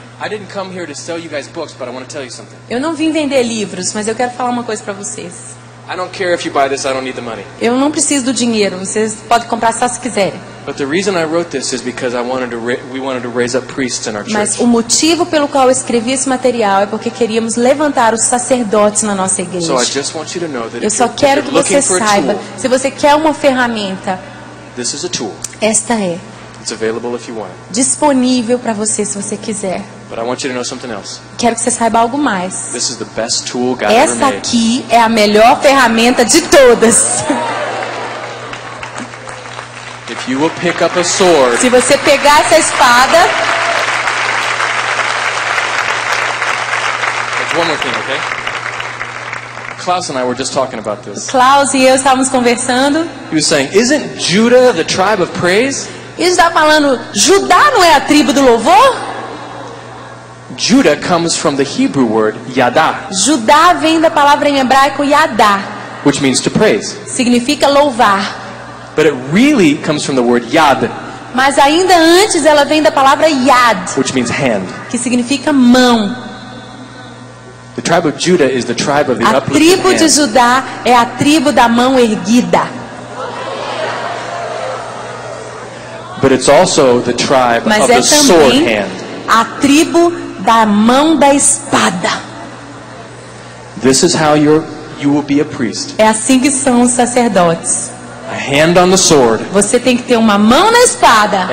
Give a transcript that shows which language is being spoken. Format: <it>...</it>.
<en>I didn't come here to sell you guys books, but I want to tell you something.</en> <pt>Eu não vim vender livros, mas eu quero falar uma coisa para vocês.</pt> <en>I don't care if you buy this, I don't need the money.</en> <pt>Eu não preciso do dinheiro, vocês podem comprar só se quiserem.</pt> <en>But the reason I wrote this is because I wanted to we wanted to raise up priests in our</en> <pt>mas</pt> <en>church.</en> <pt>Mas o motivo pelo qual eu escrevi esse material é porque queríamos levantar os sacerdotes na nossa igreja.</pt> <en>So I just want you to know that</en> <pt>eu só quero que você saiba, se você quer uma ferramenta.</pt> <en>This is a tool.</en> <pt>Esta é.</pt> <en>It's available if you want.</en> <pt>Disponível para você se você quiser.</pt> <en>But I want you to know something else.</en> <pt>Quero que você saiba algo mais.</pt> <en>This is the best tool God</en> <pt>essa</pt> <en>ever made.</en> <pt>Aqui é a melhor ferramenta de todas.</pt> <en>If you will pick up a sword,</en> <pt>se você pegar essa espada.</pt> <en>One more thing, okay? Klaus and I were just talking about this.</en> <pt>Klaus e eu estávamos conversando.</pt> <en>He was saying, isn't Judah the tribe of praise?</en> <pt>Ele está falando, Judá não é a tribo do louvor?</pt> <en>Judah comes from the Hebrew word yada.</en> <pt>Judá vem da palavra em hebraico yada,</pt> <en>which means to praise.</en> <pt>Significa louvar.</pt> <en>But it really comes from the word yad.</en> <pt>Mas ainda antes ela vem da palavra yad,</pt> <en>which means hand.</en> <pt>Que significa mão.</pt> <en>The tribe of Judah is the tribe of the uplifted hand.</en> <pt>A tribo de</pt> <en>hand.</en> <pt>Judá é a tribo da mão erguida.</pt> <en>But it's also the tribe</en> <pt>mas</pt> <en>of</en> <pt>é</pt> <en>the</en> <pt>também</pt> <en>sword hand.</en> <pt>A tribo da mão da espada.</pt> <en>This is how you will be a priest.</en> <pt>É assim que são os sacerdotes.</pt> <en>A hand on the sword.</en> <pt>Você tem que ter uma mão na espada.</pt>